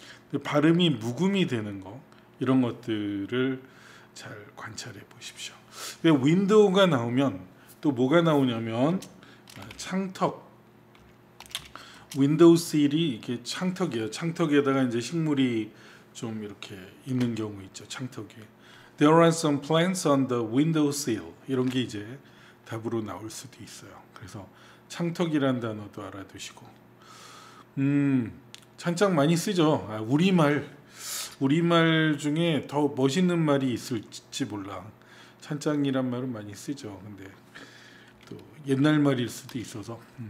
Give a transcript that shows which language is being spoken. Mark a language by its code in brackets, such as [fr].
[ko] 근데 발음이 무음이 되는 거, 이런 것들을 잘 관찰해 보십시오. 윈도우가 나오면 또 뭐가 나오냐면, 창턱. 윈도우 씰이 이게 창턱이에요. 창턱에다가 이제 식물이 좀 이렇게 있는 경우 있죠. 창턱에. [en] There are some plants on the window sill. [ko] 이런 게 이제 답으로 나올 수도 있어요. 그래서 창턱이란 단어도 알아두시고. 찬장 많이 쓰죠. 아, 우리말. 우리말 중에 더 멋있는 말이 있을지 몰라. 찬장이란 말은 많이 쓰죠. 근데 또 옛날 말일 수도 있어서.